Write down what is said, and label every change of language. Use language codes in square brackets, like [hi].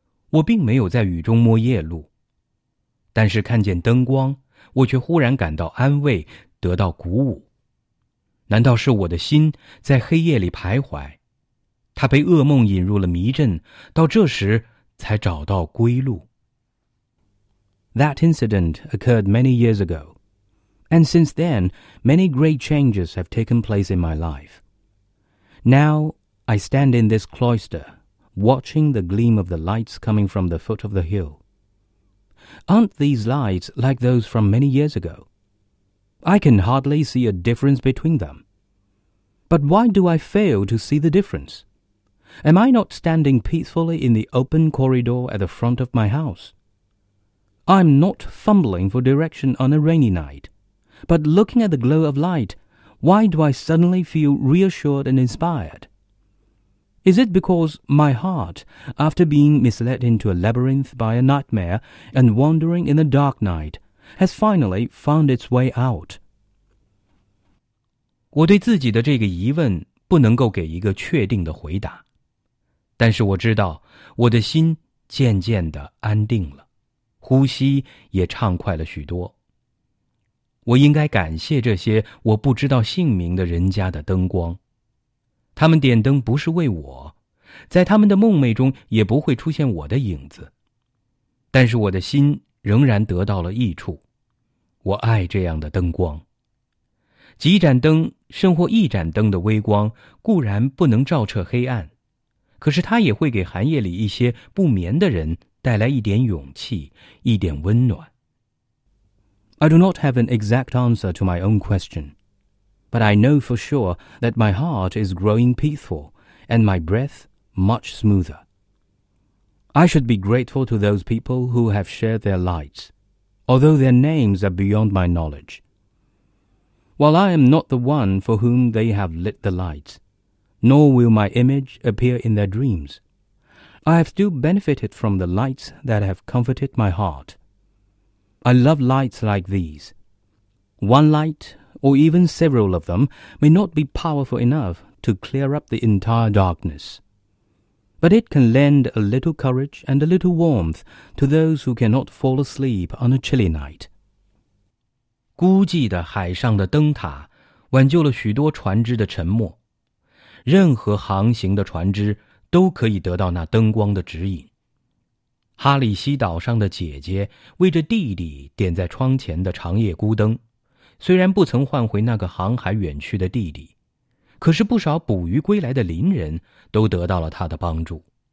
[zh] 我并没有在雨中摸夜路，但是看见灯光，我却忽然感到安慰，得到鼓舞。难道是我的心在黑夜里徘徊，它被噩梦引入了迷阵，到这时才找到归路？ [en] That incident occurred many years ago. And since then, many great changes have taken place in my life. Now, I stand in this cloister, watching the gleam of the lights coming from the foot of the hill. aren't these lights like those from many years ago? I can hardly see a difference between them. But why do I fail to see the difference? Am I not standing peacefully in the open corridor at the front of my house? I'm not fumbling for direction on a rainy night. But looking at the glow of light, why do I suddenly feel reassured and inspired? Is it because my heart, after being misled into a labyrinth by a nightmare and wandering in the dark night, has finally found its way out? [zh] 我对自己的这个疑问不能够给一个确定的回答，但是我知道我的心渐渐地安定了，呼吸也畅快了许多。我应该感谢这些我不知道姓名的人家的灯光，他们点灯不是为我，在他们的梦寐中也不会出现我的影子，但是我的心仍然得到了益处。我爱这样的灯光，几盏灯甚或一盏灯的微光固然不能照彻黑暗，可是它也会给寒夜里一些不眠的人带来一点勇气，一点温暖。 [en] I do not have an exact answer to my own question, but I know for sure that my heart is growing peaceful and my breath much smoother. I should be grateful to those people who have shared their lights, although their names are beyond my knowledge. While I am not the one for whom they have lit the lights, nor will my image appear in their dreams, I have still benefited from the lights that have comforted my heart. I love lights like these. One light, or even several of them, may not be powerful enough to clear up the entire darkness. But it can lend a little courage and a little warmth to those who cannot fall asleep on a chilly night. [zh] 孤寂的海上的灯塔挽救了许多船只的沉默。任何航行的船只都可以得到那灯光的指引。哈里西岛上的姐姐为着弟弟点在窗前的长夜孤灯，虽然不曾唤回那个航海远去的弟弟，可是不少捕鱼归来的邻人都得到了他的帮助。